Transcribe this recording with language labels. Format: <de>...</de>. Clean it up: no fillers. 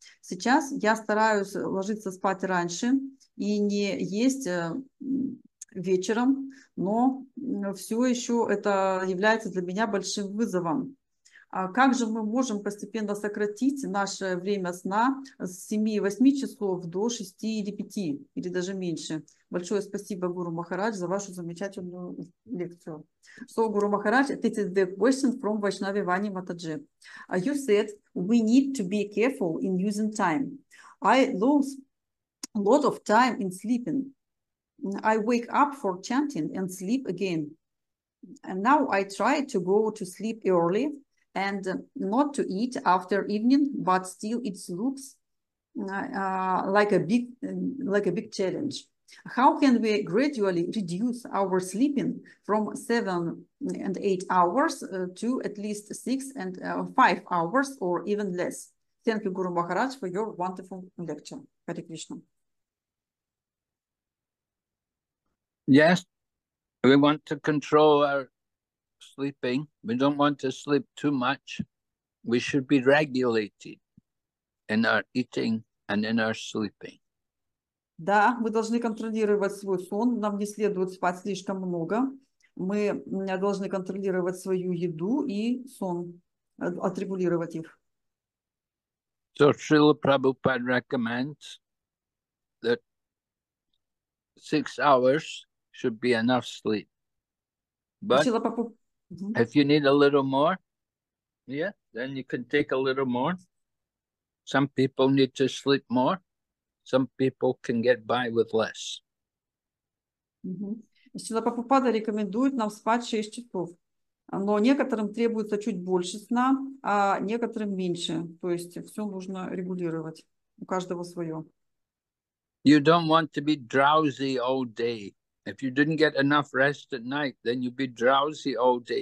<ru>Сейчас я стараюсь ложиться спать раньше и не есть вечером, но все еще это является для меня большим вызовом. А как же мы можем постепенно сократить наше время сна с 7-8 часов до 6 или 5, или даже меньше? Большое спасибо, Гуру Махарадж, за вашу замечательную лекцию.</ru> <en>So, Guru Maharaj, this is the question from Vaishnavi Vani Mataji. You said we need to be careful in using time. I lose a lot of time in sleeping. I wake up for chanting and sleep again. And now I try to go to sleep early and not to eat after evening, but still it looks like a big challenge. How can we gradually reduce our sleeping from 7 and 8 hours to at least 6 and 5 hours or even less? Thank you, Guru Maharaj, for your wonderful lecture. Hare Krishna. Yes, we want to control our sleeping. We don't want to sleep too much. We should be regulated in our eating and in our sleeping.</en> <ru>Да, мы должны контролировать свой сон. Нам не следует спать слишком много. Мы должны контролировать свою еду и сон, отрегулировать их.</ru> <en>So Srila Prabhupada recommends that 6 hours should be enough sleep. But if you need a little more, yeah, then you can take a little more. Some people need to sleep more. Some people can get by with less.</en> <ru>Сила Прабхупада рекомендует нам спать 6 часов. Но некоторым требуется чуть больше сна, а некоторым меньше. То есть все нужно регулировать. У каждого свое.</ru> <en>You don't want to be drowsy all day. If you didn't get enough rest at night, then you'd be drowsy all day.</en>